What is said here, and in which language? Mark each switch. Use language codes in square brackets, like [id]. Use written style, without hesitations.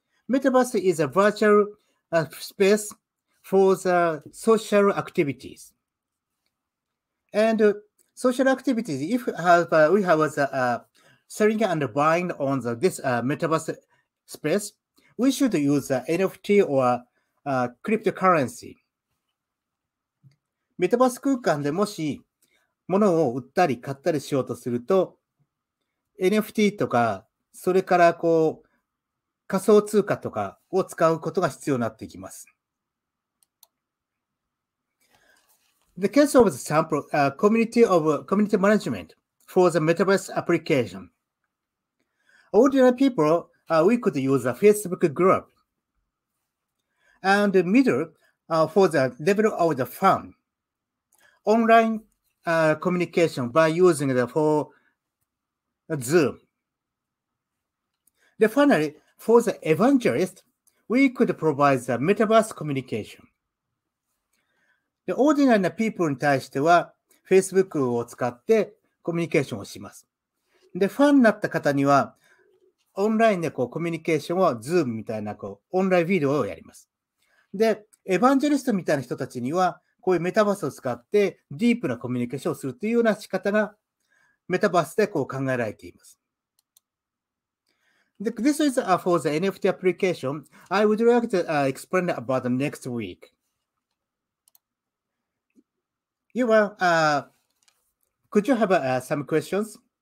[en] Metaverse is a virtual space for the social activities. And social activities, if have, we have selling and buying on the, this Metaverse space, we should use NFT or cryptocurrency. [ja] メタバース空間でもし物を売ったり買ったりしようとすると NFT とかそれからこう仮想通貨とかを使うことが必要になってきます。 [en] The case of the sample, community management for the Metaverse application. Ordinary people, we could use a Facebook group and middle for the level of the firm. Online communication by using the for Zoom. Then finally, for the evangelist, we could provide the metaverse communication. The ordinary people [ja] に対しては Facebook を使ってコミュニケーションをします。で、ファンになった方にはオンラインでこうコミュニケーションを Zoom みたいなこうオンラインビデオをやります。で、エヴァンジェリストみたいな人たちにはこういうメタバースを使ってディープなコミュニケーションをするというような仕方がメタバースでこう考えられています。 [en] This is for the NFT application. I would like to explain about the next week. You are, could you have some questions?